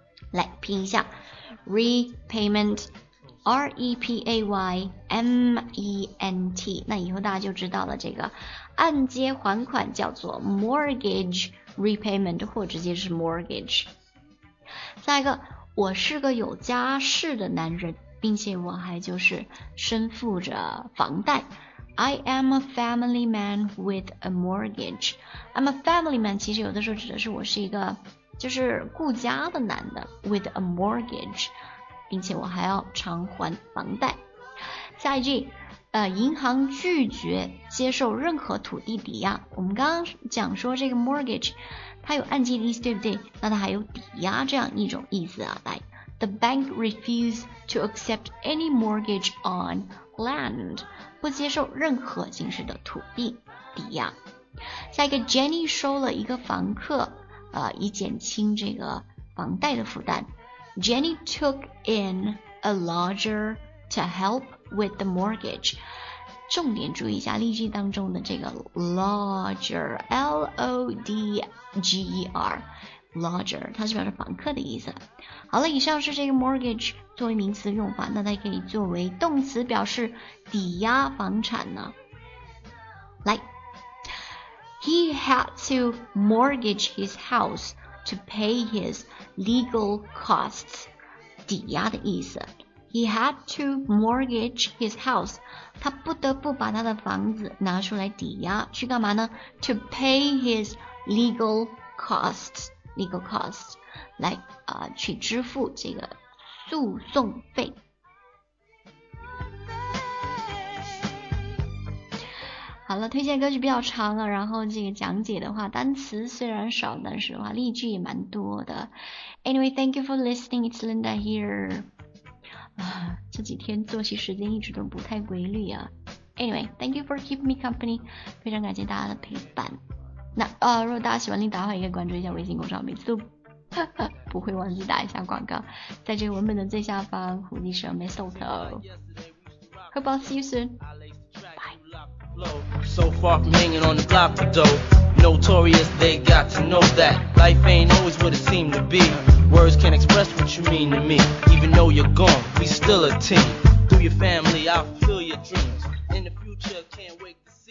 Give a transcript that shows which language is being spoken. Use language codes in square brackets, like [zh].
[zh] 来拼一下 ,repayment, R-E-P-A-Y-M-E-N-T, 那以后大家就知道了这个按揭还款叫做 [en] mortgage repayment, [zh] 或者直接是 mortgage。下一个，我是个有家室的男人，并且我还就是身负着房贷。 [en] I am a family man with a mortgage. I'm a family man, [zh] 其实有的时候指的是我是一个就是顾家的男的 [en] with a mortgage, [zh] 并且我还要偿还房贷。下一句，银行拒绝接受任何土地抵押。我们刚刚讲说这个 mortgage, 它有按揭的意思，对不对？那它还有抵押这样一种意思啊。 [en] 来 ,the bank refused to accept any mortgage on land, [zh] 不接受任何形式的土地抵押。下一个 ,Jenny 收了一个房客以减轻这个房贷的负担。 [en] Jenny took in a lodger to help,with the mortgage, [zh] 重点注意一下例句当中的这个 [en] lodger, L-O-D-G-E-R, lodger, [zh] 它是表示房客的意思。好了，以上是这个 mortgage 作为名词用法，那它可以作为动词表示抵押房产呢。 [en] 来 ,He had to mortgage his house to pay his legal costs, [zh] 抵押的意思。 [en] He had to mortgage his house. [zh] 他不得不把他的房子拿出来抵押，去干嘛呢？ [en] To pay his legal costs. Legal costs. [zh] 来去支付这个诉讼费。好了，推荐歌曲比较长了，然后这个讲解的话，单词虽然少，但是的话例句也蛮多的。 [en] Anyway, thank you for listening. It's Linda here. [zh] 这几天作息时间一直都不太规律啊。 [en] Anyway, thank you for keeping me company. [zh] 非常感谢大家的陪伴。那如果大家喜欢 Linda 的话，也可以关注一下微信公众号，每次都不会忘记打一下广告，在这个文本的最下方，虎迪蛇眉瘦头。 [en] Hope I'll see you soon. Bye. So far from hanging on the block for dough. Notorious, they got to know that life ain't always what it seemed to be. Words can't express what you mean to me. Even though you're gone, we still a team. Through your family, I'll fulfill your dreams. In the future, can't wait.